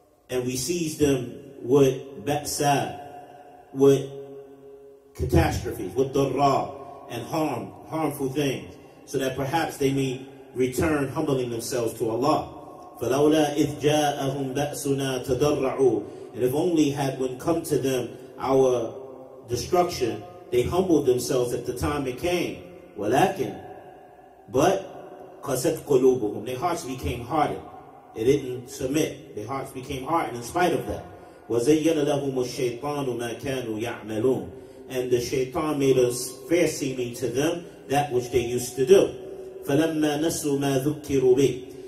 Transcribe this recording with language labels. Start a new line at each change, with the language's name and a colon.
English: And we seized them with ba'sa, with catastrophes, with darra, and harmful things. So that perhaps they may return humbling themselves to Allah.
Arabic: فَلَوْلَا إِذْ جَاءَهُمْ بَأْسُنَا تَدَرَّعُوا.
English: And if only had when come to them our destruction, they humbled themselves at the time it came.
Arabic: وَلَكِنْ
English: But
Arabic: قَسَتْ قُلُوبُهُمْ.
English: Their hearts became hardened. They didn't submit. Their hearts became hardened in spite of that.
Arabic: وَزَيَّنَ لَهُمُ الشَّيْطَانُ مَا كَانُوا يَعْمَلُونَ.
English: And the shaitan made us fair seeming to them that which they used to do.
Arabic: فَلَمَّا نَسُوا مَا ذُكِّرُوا بِهِ.